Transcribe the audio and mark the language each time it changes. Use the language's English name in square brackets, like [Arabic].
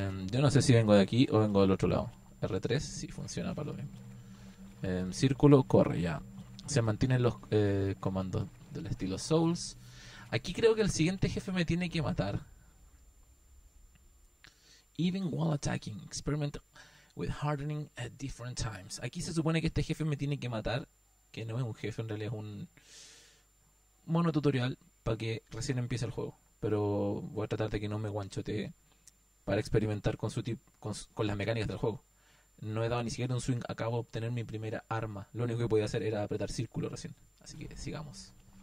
[Spanish] Yo no sé si vengo de aquí o vengo del otro lado. R3, sí, funciona para lo mismo. Círculo, corre ya. Se mantienen los comandos del estilo Souls. Aquí creo que el siguiente jefe me tiene que matar. [English] Even while attacking, experiment with hardening at different times. [Spanish] Aquí se supone que este jefe me tiene que matar. Que no es un jefe, en realidad es un mono tutorial para que recién empiece el juego. Pero voy a tratar de que no me guanchotee para experimentar con su tip, con las mecánicas del juego. No he dado ni siquiera un swing, acabo de obtener mi primera arma. Lo único que podía hacer era apretar círculo recién. Así que sigamos.